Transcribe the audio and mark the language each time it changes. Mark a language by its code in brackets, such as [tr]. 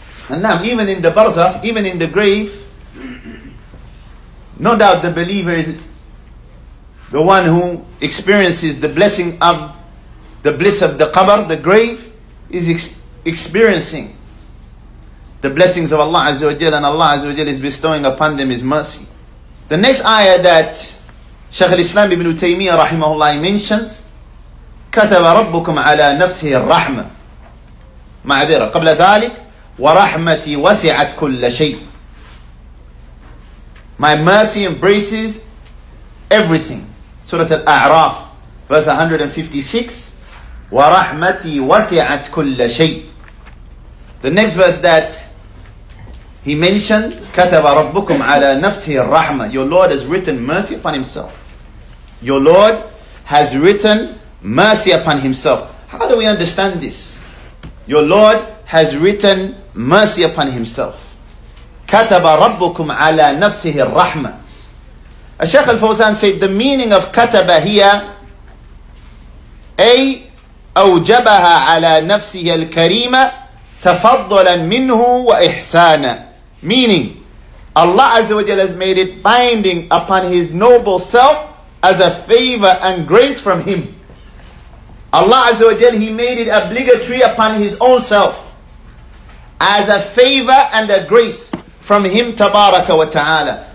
[en] And now, even in the barzakh, even in the grave, no doubt the believer is the one who experiences the blessing of the bliss of the qabr, the grave, is experiencing the blessings of Allah Azza wa Jalla, and Allah Azza wa Jalla is bestowing upon them His mercy. The next ayah that Shaykh al-Islam ibn Taymiyyah rahimahullah mentions, [ar] كَتَبَ رَبُّكُمْ عَلَى نَفْسِهِ الرَّحْمَةِ مَعْذِرَةً قَبْلَ ذَلِكَ وَرَحْمَتِي وَسِعَتْ كُلَّ شَيْءٍ. [en] My mercy embraces everything. Surah Al-A'raf, verse 156. [ar] وَرَحْمَتِي وَسِعَتْ كُلَّ شَيْءٍ. [en] The next verse that he mentioned, [ar] كَتَبَ رَبُّكُمْ عَلَى نَفْسِهِ الرَّحْمَةِ. [en] Your Lord has written mercy upon Himself. Your Lord has written mercy upon Himself. How do we understand this? Your Lord has written mercy upon Himself. [ar] كَتَبَ رَبُّكُمْ عَلَى نَفْسِهِ الرَّحْمَةِ. [en] Shaykh al-Fawzan said, the meaning of [ar] كَتَبَ here, أي أوجبها على نفسه الكريمة تفضلا منه وإحسانا. [en] Meaning, Allah Azza wa Jalla has made it binding upon His noble self as a favor and grace from Him. Allah Azza wa Jalla, He made it obligatory upon His own self as a favor and a grace from Him, Tabaraka wa Ta'ala.